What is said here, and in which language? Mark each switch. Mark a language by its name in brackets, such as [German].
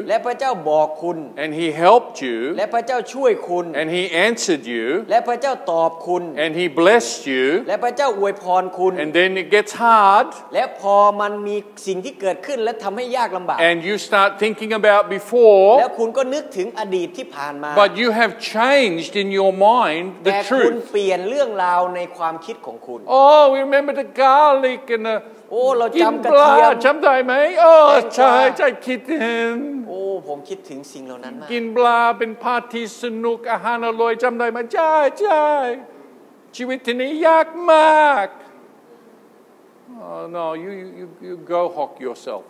[Thai] และพระเจ้าบอกคุณ [English] And he helped you [Thai] และพระเจ้าช่วยคุณ [English] And he answered you [Thai] และพระเจ้าตอบคุณ [English] And he blessed you [Thai] และพระเจ้าอวยพรคุณ [English] And then it gets hard [Thai] และพอมันมีสิ่งที่เกิดขึ้นและทำให้ยากลำบาก [English] And you start thinking about before [Thai] แล้วคุณก็นึกถึงอดีตที่ผ่านมา [English] But you have changed in your mind the truth [Thai] แต่คุณเปลี่ยนเรื่องราวในความคิดของคุณ [English] Oh we remember the garlic and the [Thai] โอ้เราจำ กระเทียมจำได้ไหมเออใช่ใช่คิดถึง โอ้ผมคิดถึงสิ่งเหล่านั้นมาก กินปลาเป็นพาทีสนุกอาหารอร่อยจำได้ไหมใช่ใช่ชีวิตที่นี้ยากมาก [English] No, you go hawk yourself.